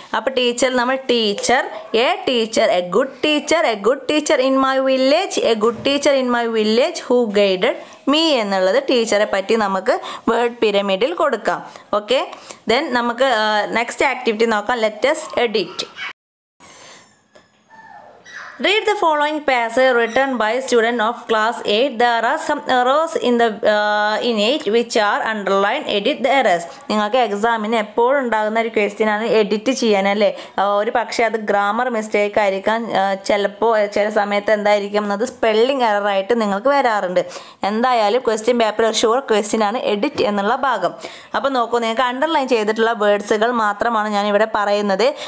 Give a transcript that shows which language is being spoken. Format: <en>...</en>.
<en>അപ്പൊ ടീച്ചർ, നമ്മൾ teacher, a teacher, a good teacher, a good teacher in my village, a good teacher in my village who guided me</en> <ml>എന്നുള്ളത് ടീച്ചറെ പറ്റി നമുക്ക് word പിരമിഡിൽ കൊടുക്കാം. Okay, then നമുക്ക് next activity നോക്കാം.</ml> <en>Let's edit. Read the following passage written by student of class 8. There are some errors in the in it which are underlined. Edit the errors.</en> <ml>നിങ്ങൾക്ക് എക്സാമിന് എപ്പോഴും ഉണ്ടാകുന്ന ഒരു ക്വസ്റ്റ്യൻ ആണ് edit ചെയ്യാനല്ലേ. ഒരു പക്ഷേ അത് ഗ്രാമർ മിസ്റ്റേക്ക് ആയിരിക്കാം, ചിലപ്പോൾ ചില സമയത്ത് എന്തായിരിക്കും എന്നത് സ്പെല്ലിംഗ് എററായിട്ട് നിങ്ങൾക്ക് വരാറുണ്ട്. എന്തായാലും ക്വസ്റ്റ്യൻ പേപ്പർ ഷുവർ ക്വസ്റ്റ്യൻ ആണ് എഡിറ്റ് എന്നുള്ള ഭാഗം. അപ്പോൾ നോക്കൂ, നിങ്ങൾക്ക് അണ്ടർലൈൻ ചെയ്തിട്ടുള്ള വേർഡ്സുകൾ മാത്രമാണ് ഞാൻ ഇവിടെ പറയുന്നത്.</ml>